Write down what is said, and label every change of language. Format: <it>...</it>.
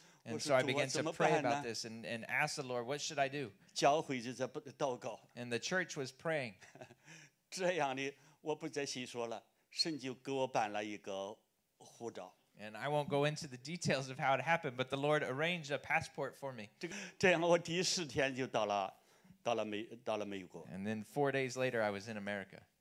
<en>And so I began to pray about this and ask the Lord, what should I do? And the church was praying.</en> <zh>这样的我不再细说了，神就给我办了一个护照。</zh> <en>And I won't go into the details of how it happened, but the Lord arranged a passport for me.</en> <zh>这样我第四天就到了。到了美国</zh> <en>And then 4 days later, I was in America.</en>